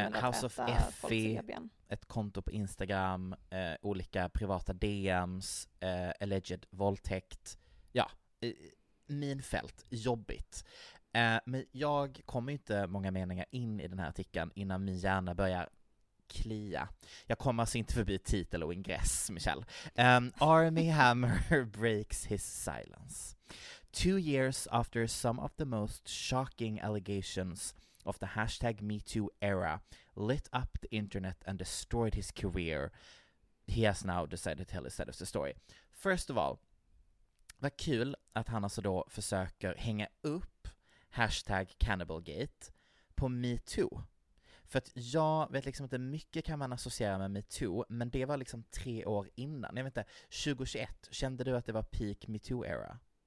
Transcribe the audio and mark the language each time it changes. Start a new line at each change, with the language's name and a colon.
Swedish: House of Effie, ett konto på Instagram, olika privata DMs, alleged våldtäkt. Ja, minfält, jobbigt. Men jag kommer inte många meningar in i den här artikeln innan min hjärna börjar klia. Jag kommer alltså inte förbi titel och ingress, Michelle.
English: Army Hammer breaks his silence. 2 years after some of the most shocking allegations of the hashtag MeToo era lit up the internet and destroyed his career, he has now decided to tell his side of the story. First of all,
Swedish: vad kul att han alltså då försöker hänga upp hashtag Cannibalgate på MeToo. För att jag vet liksom inte, mycket kan man associera med MeToo, men det var liksom 3 år innan. Jag vet inte, 2021, kände du att det var peak MeToo era?